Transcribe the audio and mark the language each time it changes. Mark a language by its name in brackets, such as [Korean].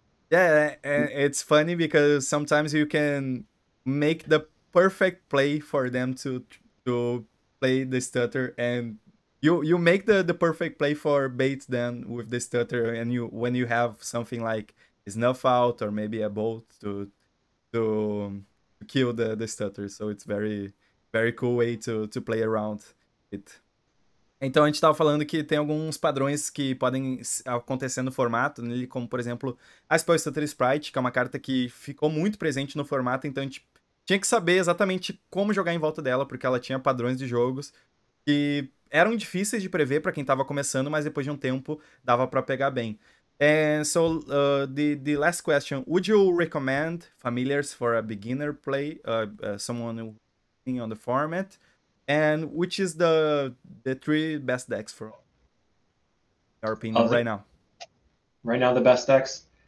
[English] Yeah, and it's funny because sometimes you can make the perfect play for them to play the stutter and. You make the perfect play for bait then with the stutter, and you when you have something like snuff out or maybe a bolt to kill the stutter. So it's very very cool way to play around it. [Portuguese] Então a gente tava falando que tem alguns padrões que podem acontecer no formato, nele, como por exemplo a Spell Stutter Sprite, que é uma carta que ficou muito presente no formato, então a gente tinha que saber exatamente como jogar em volta dela, porque ela tinha padrões de jogos que eram difíceis de prever para quem estava começando, mas depois de um tempo dava para pegar bem. [English] And so the last question: would you recommend familiars for a beginner play, someone in on the format, and which is the three best decks for your opinion right now? Right now, the best decks.